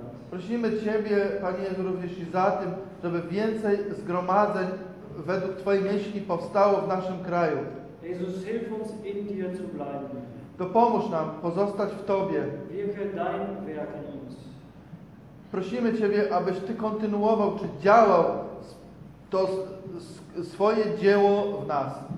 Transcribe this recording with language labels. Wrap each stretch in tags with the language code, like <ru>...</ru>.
<pl>Prosimy Ciebie, Panie Jezu, również i za tym, żeby więcej zgromadzeń według Twojej myśli powstało w naszym kraju.</pl> <de>Jezus, hilf uns in dir zu bleiben.</de> <pl>Dopomóż nam pozostać w Tobie.</pl> <de>Wirke dein Werk in uns.</de> <pl>Prosimy Ciebie, abyś Ty kontynuował, czy działał to swoje dzieło w nas.</pl>